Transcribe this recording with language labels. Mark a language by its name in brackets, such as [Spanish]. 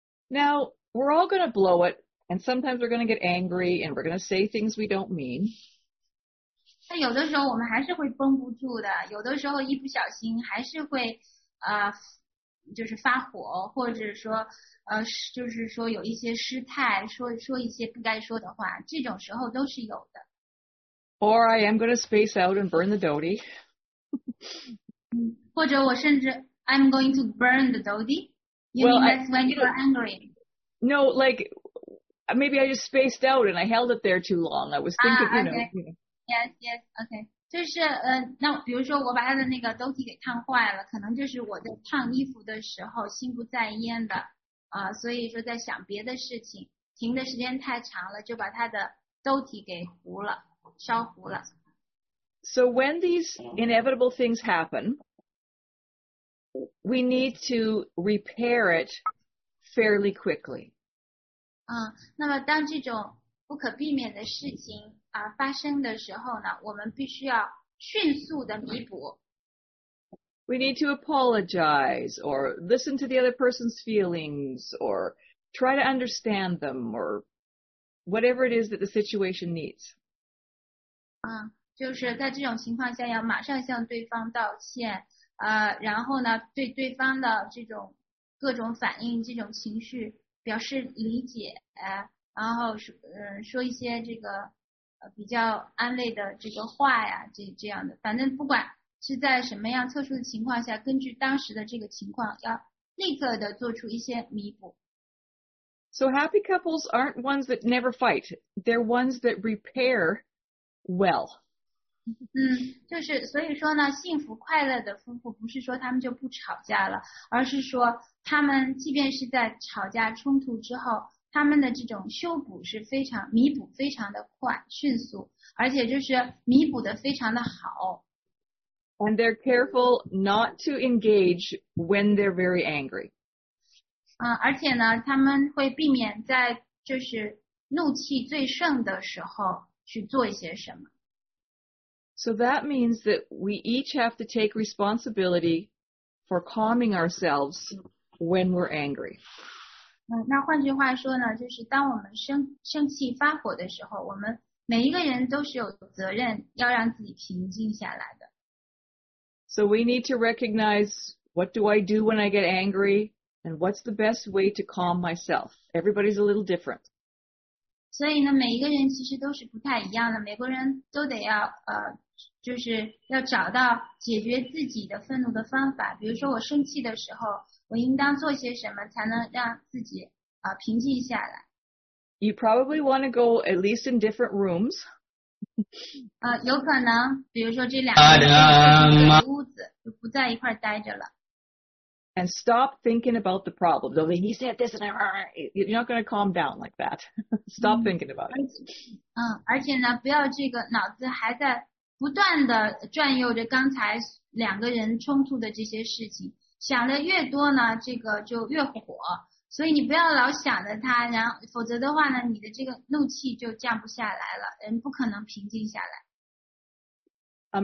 [English] Now, we're all going to blow it, and sometimes we're going to get angry, and we're going to say things we don't mean. [Chinese] 但有的时候我们还是会绷不住的，有的时候一不小心还是会就是发火，或者说就是说有一些失态，说一些不该说的话，这种时候都是有的。 [English] Or I am going to space out and burn the dodie. [Chinese] 或者我甚至 [English] I'm going to burn the dodie. You mean that's when you're angry? No, like maybe I just spaced out and I held it there too long. I was thinking, okay. You know. Yes, yes, okay. [Chinese] 就是那比如说我把他的那个 dodie 给烫坏了，可能就是我在烫衣服的时候心不在焉的所以说在想别的事情，停的时间太长了，就把他的 dodie 给糊了，烧糊了。 [English] So when these inevitable things happen, we need to repair it fairly quickly. [Chinese] 那么当这种不可避免的事情发生的时候呢，我们必须要迅速的弥补。 [English] We need to apologize or listen to the other person's feelings or try to understand them or whatever it is that the situation needs. [Chinese] 就是在这种情况下要马上向对方道歉然后呢对对方的这种各种反应这种情绪表示理解然后 说一些这个比较安慰的这个话呀这样的反正不管是在什么样特殊的情况下根据当时的这个情况要立刻的做出一些弥补。 [English] So happy couples aren't ones that never fight, they're ones that repair well. [Chinese] 就是所以说呢幸福快乐的夫妇不是说他们就不吵架了而是说他们即便是在吵架冲突之后他们的这种修补是非常弥补非常的快迅速而且就是弥补的非常的好 [English] And they're careful not to engage when they're very angry [Chinese] 而且呢他们会避免在就是怒气最盛的时候去做一些什么 [English] So that means that we each have to take responsibility for calming ourselves when we're angry. [Chinese] 那换句话说呢，就是当我们生气发火的时候，我们每一个人都是有责任要让自己平静下来的。 [English] So we need to recognize what do I do when I get angry and what's the best way to calm myself. Everybody's a little different. [Chinese] 所以呢每一个人其实都是不太一样的每个人都得要就是要找到解决自己的愤怒的方法比如说我生气的时候我应当做些什么才能让自己平静下来 [English] You probably want to go at least in different rooms [Chinese] 有可能比如说这两个人在屋子就不在一块待着了 [English] And stop thinking about the problem I mean, he said this and I'm You're not going to calm down like that Stop thinking about it. [Chinese] 而且呢，不要这个脑子还在不断的转悠着刚才两个人冲突的这些事情，想的越多呢，这个就越火。所以你不要老想着它，然后否则的话呢，你的这个怒气就降不下来了，人不可能平静下来。